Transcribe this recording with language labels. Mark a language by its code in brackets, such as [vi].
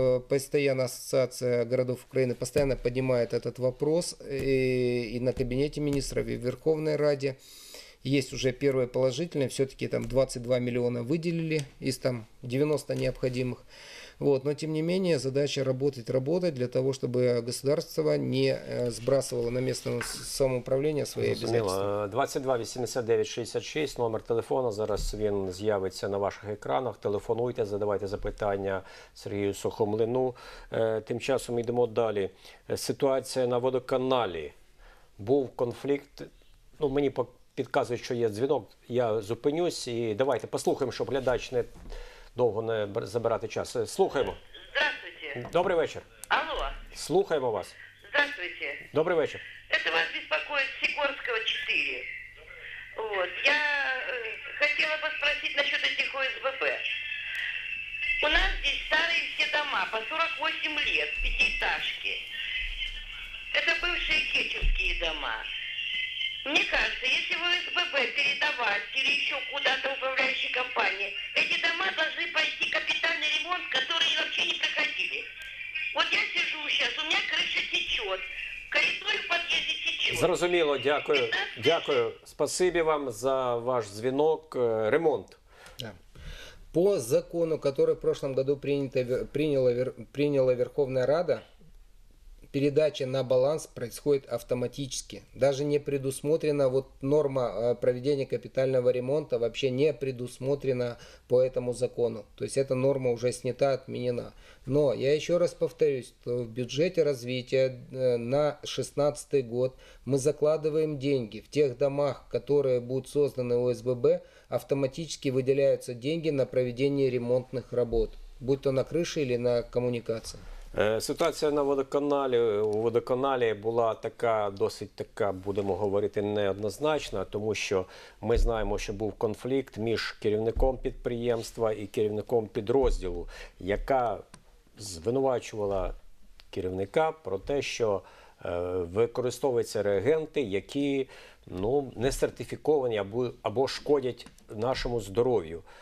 [ru] Постоянно ассоциация городов Украины постоянно поднимает этот вопрос и на кабинете министров, и в Верховной Раде. Есть уже первое положительное, все-таки там 22 миллиона выделили из там 90 необходимых. Вот. Но, тем не менее, задача работать для того, чтобы государство не сбрасывало на местное самоуправление свои обязательства. [uk] 22-89-66, номер телефона, зараз він з'явиться на ваших екранах. Телефонуйте, задавайте запитання Сергію Сухомлину. Тим часом йдемо далі. Ситуація на водоканалі. Був конфлікт, ну, мені підказують, що є дзвінок, я зупинюсь і давайте послухаємо, щоб глядач не... Довго не забирати час. Слухаємо. [ru] Здравствуйте. [uk] Добрий вечір. Алло. Слухаємо вас. [ru] Здравствуйте. [uk] Добрий вечір. [ru] Это вас беспокоит Сикорского 4. Вот. Я хотела бы спросить насчет этих ОСББ. У нас здесь старые все дома по 48 лет, пятиэтажки. Это бывшие кечевские дома. Мне кажется, если в ОСББ передавать или еще куда-то управляющей компании, эти дома должны пойти капитальный ремонт, который вообще не проходили. Вот я сижу сейчас, у меня крыша течет, коридор в подъезде течет. [uk] Зрозуміло, дякую. Дякую. Спасибі вам за ваш дзвінок. [ru] Ремонт. По закону, который в прошлом году приняла Верховная Рада, передача на баланс происходит автоматически. Даже не предусмотрена вот норма проведения капитального ремонта, вообще не предусмотрена по этому закону. То есть эта норма уже снята, отменена. Но я еще раз повторюсь, что в бюджете развития на 2016 год мы закладываем деньги. В тех домах, которые будут созданы ОСББ, автоматически выделяются деньги на проведение ремонтных работ. Будь то на крыше или на коммуникациях. [uk] Ситуація на водоканалі, у водоканалі була така, досить така, будемо говорити, неоднозначна, тому що ми знаємо, що був конфлікт між керівником підприємства і керівником підрозділу, яка звинувачувала керівника про те, що використовуються реагенти, які, ну, не сертифіковані або шкодять нашому здоров'ю.